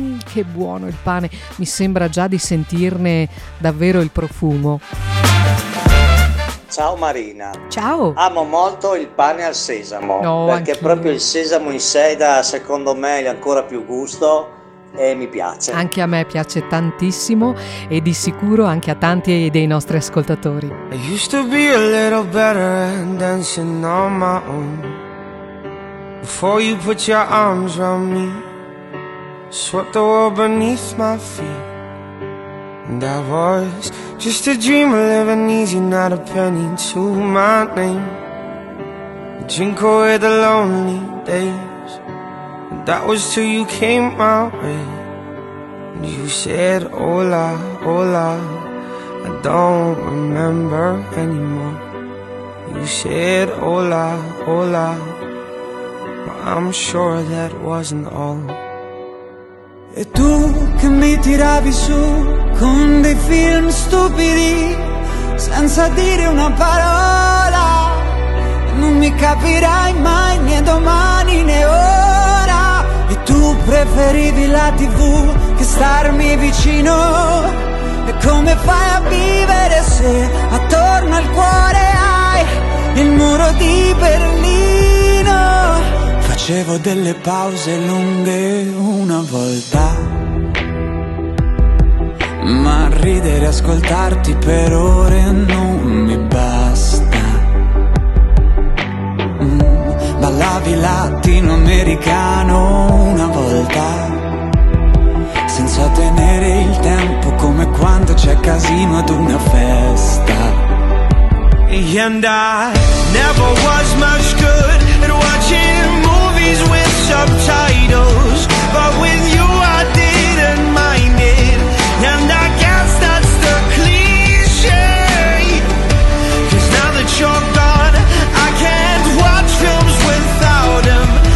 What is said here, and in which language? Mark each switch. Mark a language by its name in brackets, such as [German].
[Italian] Che buono il pane, mi sembra già di sentirne davvero il profumo. Ciao Marina. Ciao. Amo molto il pane al sesamo. No, perché anch'io. Proprio il sesamo in sé dà, secondo me, ancora più gusto e mi piace. Anche a me piace tantissimo e di sicuro anche a tanti dei nostri ascoltatori. [English] I used to be a little better at dancing on my own. Before you put your arms around me, swept the world beneath my feet. And I was just a dreamer living easy, not a penny to my name. I drink away the lonely days, and that was till you came my way. And you said, [Spanish] hola, hola, [English] I don't remember anymore. You said, [Spanish] hola, hola, [English] but I'm sure that wasn't all. [Italian] E tu che mi tiravi su con dei film stupidi senza dire una parola, non mi capirai mai né domani né ora. E tu preferivi la TV che starmi vicino. E come fai a vivere se attorno al cuore hai il muro di Berlino? Facevo delle pause lunghe una volta, ma ridere e ascoltarti per ore non mi basta. Ballavi latinoamericano una volta, senza tenere il tempo come quando c'è casino ad una festa. [English] And I never was much good at watching movies with subtitles, but with you I didn't mind it. And I guess that's the cliche, 'cause now that you're gone I can't watch films without them.